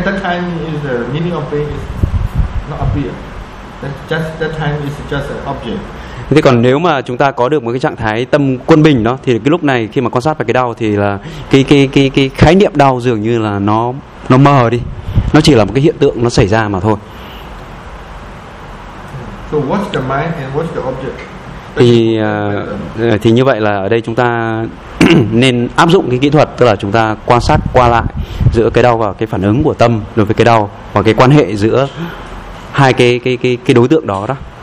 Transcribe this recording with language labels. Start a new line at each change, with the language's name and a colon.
English: That time is the meaning of pain is not appear. Just
Vietnamese: thế còn nếu mà chúng ta có được một cái trạng thái tâm quân bình đó, thì cái lúc này khi mà quan sát vào cái đau thì là cái khái niệm đau dường như là nó mờ đi, nó chỉ là một cái hiện tượng nó xảy ra mà thôi.
English: So what's the mind and what's the object?
Vietnamese: Thì như vậy là ở đây chúng ta nên áp dụng cái kỹ thuật, tức là chúng ta quan sát qua lại giữa cái đau và cái phản ứng của tâm đối với cái đau và cái quan hệ giữa hai cái đối tượng đó đó.